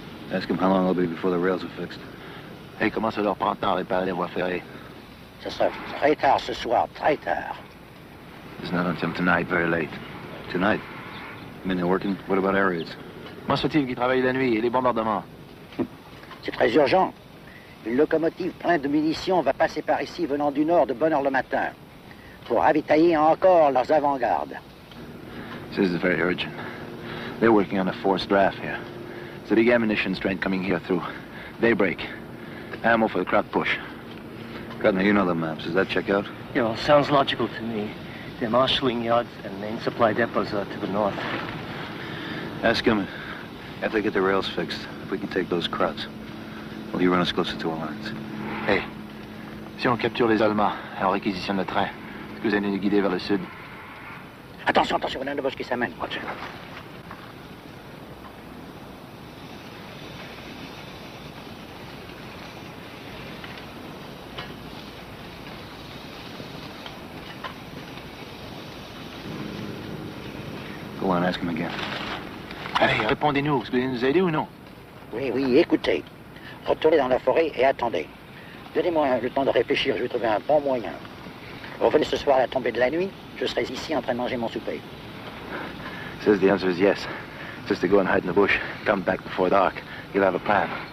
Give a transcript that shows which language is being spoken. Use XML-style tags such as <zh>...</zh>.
<en>Ask him how long it'll be before the rails are fixed.</en> <fr>Hey, comment ça leur prend dans les balles de voie ferrée? Ça sera très tard ce soir, très tard.</fr> <en>It's not until tonight, very late. Tonight? You mean they're working? What about areas?</en> <fr>Comment se fait-il qu'il travaille la nuit et les bombardements? C'est très urgent. Une locomotive pleine de munitions va passer par ici venant du nord de bonne heure le matin pour ravitailler encore leurs avant-gardes.</fr> <en>This is very urgent. They're working on a forced draft here. It's a big ammunition train coming here through daybreak. Ammo for the crowd push. Gardner, you know the maps. Does that check out? Yeah, well, sounds logical to me. Their marshalling yards and main supply depots are to the north. Ask him. After they get the rails fixed, if we can take those crowds, will you run us closer to our lines?</en> <fr>Hey, si on capture les Allemands et on réquisitionne le train, est-ce que vous allez nous guider vers le sud? Attention, attention, on a un de vos qui s'amène.</fr> <en>Watch it. Go on, ask him again.</en> <fr>Allez, répondez-nous. Est-ce que vous allez nous aider ou non? Oui, oui, écoutez. Retournez dans la forêt et attendez. Donnez-moi le temps de réfléchir, je vais trouver un bon moyen. Revenez ce soir à la tombée de la nuit, je serai ici en train de manger mon souper.</fr> <en>Says the answer is yes. Just to go and hide in the bush. Come back before dark. You'll have a plan.</en>